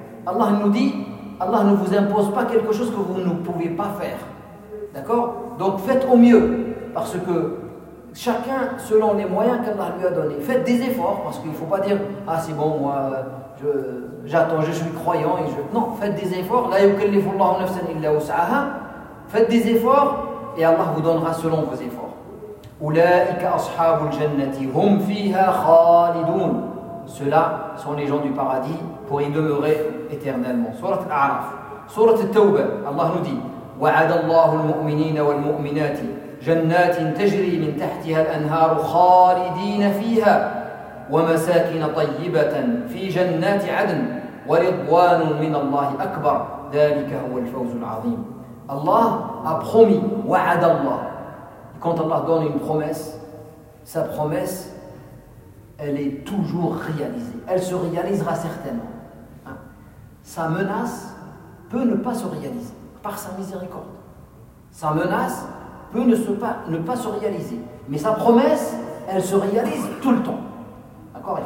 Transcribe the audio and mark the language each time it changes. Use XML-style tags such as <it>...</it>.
<fr>Allah nous dit, Allah ne vous impose pas quelque chose que vous ne pouvez pas faire. D'accord? Donc faites au mieux. Parce que chacun selon les moyens qu'Allah lui a donné. Faites des efforts. Parce qu'il ne faut pas dire, ah c'est bon, moi, j'attends, je suis croyant. Et je... Non, faites des efforts.</fr> <ar>لا يكلف الله نفسا إلا وسعها.</ar> <fr>Faites des efforts et Allah vous donnera selon vos efforts.</fr> <ar>أولئك أصحاب الجنة هم فيها خالدون</ar> <fr>ceux-là sont les gens du paradis pour y demeurer éternellement</fr> <ar>سورة الأعراف سورة التوبة الله</ar> <fr>nous dit</fr> <ar>وعد الله المؤمنين والمؤمنات جنات تجري من تحتها الأنهار خالدين فيها ومساكن طيبة في جنات عدن ورضوان من الله أكبر ذلك هو الفوز العظيم.</ar> <fr>الله a promis,</fr> <ar>وعد الله.</ar> <fr>Quand Allah donne une promesse, sa promesse, elle est toujours réalisée. Elle se réalisera certainement. Hein? Sa menace peut ne pas se réaliser par sa miséricorde. Sa menace peut ne pas se réaliser, mais sa promesse, elle se réalise tout le temps. D'accord?</fr>